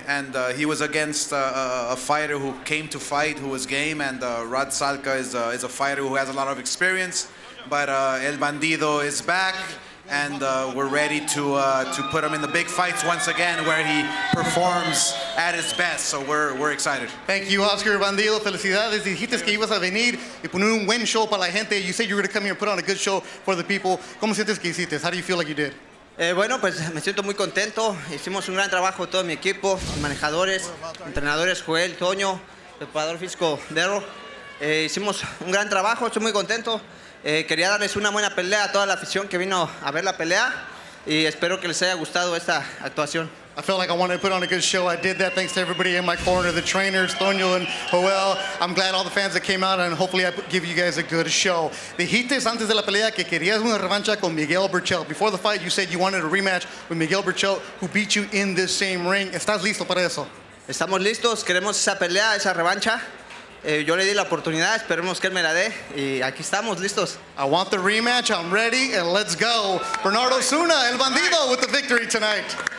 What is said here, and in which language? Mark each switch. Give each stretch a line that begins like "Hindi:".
English: And he was against a fighter who came to fight, who was game. And Rod Salka is a fighter who has a lot of experience, but El Bandido is back, and we're ready to put him in the big fights once again, where he performs at his best. So we're excited. Thank you, Oscar Bandido.
Spanish: Felicidades. Dijiste que ibas a venir y poner un buen show para la gente.
English: You said you were going to come here and put on a good show for the people.
Spanish: ¿Cómo sientes que hiciste?
English: How do you feel like you did?
Spanish: Bueno, pues me siento muy contento. Hicimos un gran trabajo todo mi equipo, manejadores, entrenadores, Joel, Toño, preparador físico, Derro. Hicimos un gran trabajo, estoy muy contento. Quería darles una buena pelea a toda la afición que vino a ver la pelea y espero que les haya gustado esta actuación.
English: I felt like I wanted to put on a good show. I did that thanks to everybody in my corner, the trainers, Toño and Joel. I'm glad all the fans that came out, and hopefully I give you guys a good show.
Spanish: Dijiste antes de la pelea que querías una revancha con Miguel Burchell.
English: Before the fight, you said you wanted a rematch with Miguel Burchell, who beat you in this same ring.
Spanish: ¿Estás listo para eso? Estamos listos. Queremos esa pelea, esa revancha. Yo le di la oportunidad. Esperemos que él me la dé. Y aquí estamos listos.
English: I want the rematch. I'm ready, and let's go. Bernardo Osuna, El Bandido, with the victory tonight.